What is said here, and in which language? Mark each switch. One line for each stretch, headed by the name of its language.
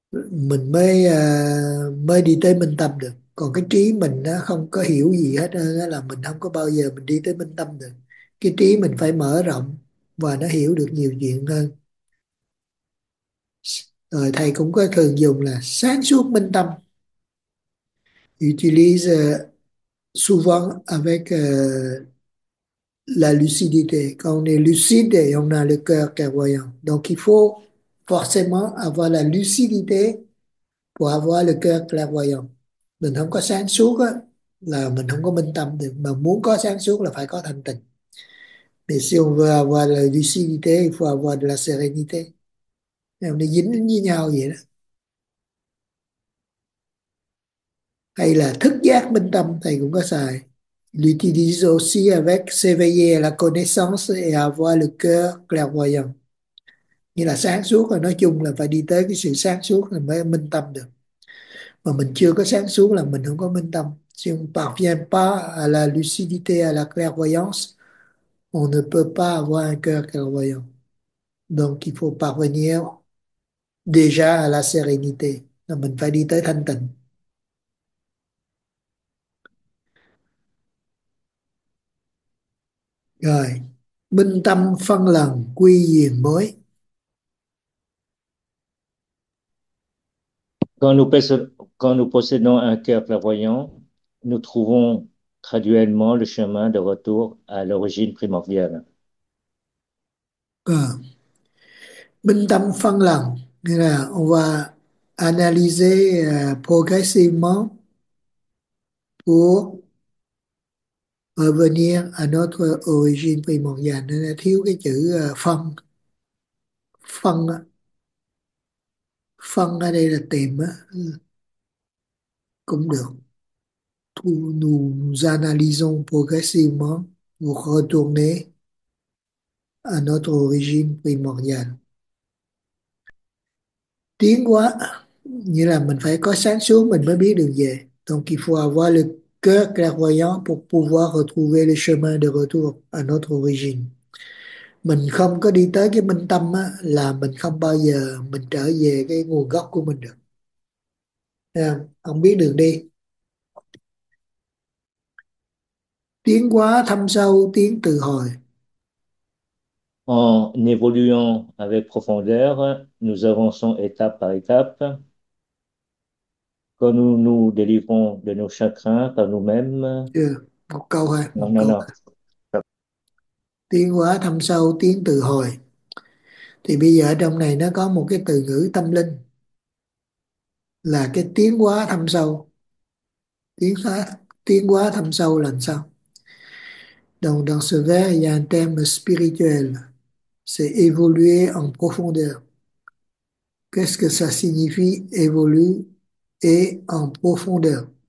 Vietnamese: Mình mới mới đi tới minh tâm được, còn cái trí mình nó không có hiểu gì hết là mình không có bao giờ mình đi tới minh tâm được. Cái trí mình phải mở rộng và nó hiểu được nhiều chuyện hơn. Rồi thầy cũng có thường dùng là sáng suốt minh tâm.
French: Utilise souvent avec la lucidité. Quand on est lucide, et on a le cœur clairvoyant. Donc il faut forcément avoir la lucidité pour avoir le cœur clairvoyant.
Vietnamese: Mình không có sáng suốt đó, là mình không có minh tâm được. Mà muốn có sáng suốt là phải có thanh tịnh.
French: Mais si on veut avoir la lucidité, il faut avoir de la sérénité.
Vietnamese: Nó dính với nhau vậy đó. Hay là thức giác minh tâm, thầy cũng có xài.
French: L'utilise aussi avec s'éveiller à la connaissance et avoir le cœur clairvoyant.
Vietnamese: Nghĩa là sáng suốt, rồi nói chung là phải đi tới cái sự sáng suốt là mới minh tâm được. Mà mình chưa có sáng suốt là mình không có minh tâm.
French: Si on parvient pas à la lucidité, à la clairvoyance, on ne peut pas avoir un cœur clairvoyant. Donc, il faut parvenir déjà à la sérénité, là
Vietnamese: mình phải đi tới thanh tịnh. Rồi, minh tâm phân lần quy diền mới.
French: Quand nous possédons un cœur clairvoyant, nous trouvons graduellement le chemin de retour à l'origine primordiale.
Vietnamese: Minh tâm phân lần. Nghĩa là
French: on va analyser progressivement pour revenir à notre origine primordiale.
Vietnamese: Nên là thiếu cái chữ phân. Phân. Phân ở đây là tìm á. Cũng được.
French: Nous analysons progressivement pour retourner à notre origine primordiale.
Vietnamese: Tiến quá, nghĩa là mình phải có sáng suốt mình mới biết đường về.
French: Donc il faut avoir le cœur clairvoyant pour pouvoir retrouver le chemin de retour à notre origine.
Vietnamese: Mình không có đi tới cái minh tâm á, là mình không bao giờ mình trở về cái nguồn gốc của mình được. Không biết đường đi. Tiến quá thâm sâu tiến từ hồi.
French: En évoluant avec profondeur, nous avançons étape par étape. Quand nous nous délivrons de nos chagrins par nous-mêmes,
Vietnamese: Một câu thôi,
French: non,
Vietnamese: một
French: non,
Vietnamese: câu
French: non.
Vietnamese: tiến hóa thâm sâu tiến từ hồi. Thì bây giờ ở trong này nó có một cái từ ngữ tâm linh là cái tiến hóa thâm sâu. Tiến hóa thâm sâu là sao?
French: Donc dans ce vers il y a un terme spirituel, c'est évoluer en profondeur. Qu'est-ce que ça signifie évoluer et en profondeur?